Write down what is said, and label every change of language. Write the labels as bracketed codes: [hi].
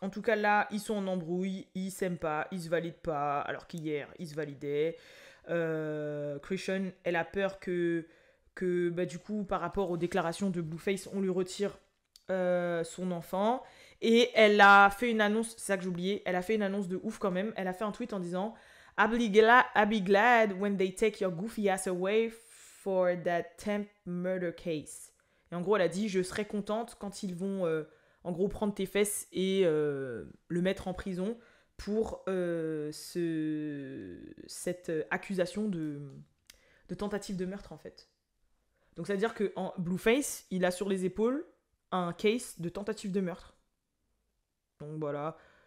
[fr] En tout cas, là, ils sont en embrouille, ils s'aiment pas, ils se valident pas, alors qu'hier, ils se validaient. Christian, elle a peur que bah, du coup, par rapport aux déclarations de Blueface, on lui retire son enfant. Et elle a fait une annonce, c'est ça que j'ai oublié, elle a fait une annonce de ouf quand même. Elle a fait un tweet en disant... [en] I'll be glad when they take your goofy ass away for that temp murder case. [fr] Et en gros, elle a dit, je serai contente quand ils vont, en gros, prendre tes fesses et le mettre en prison pour cette accusation de tentative de meurtre, en fait. Donc, ça veut dire que en Blueface, il a sur les épaules un case de tentative de meurtre. Donc, voilà.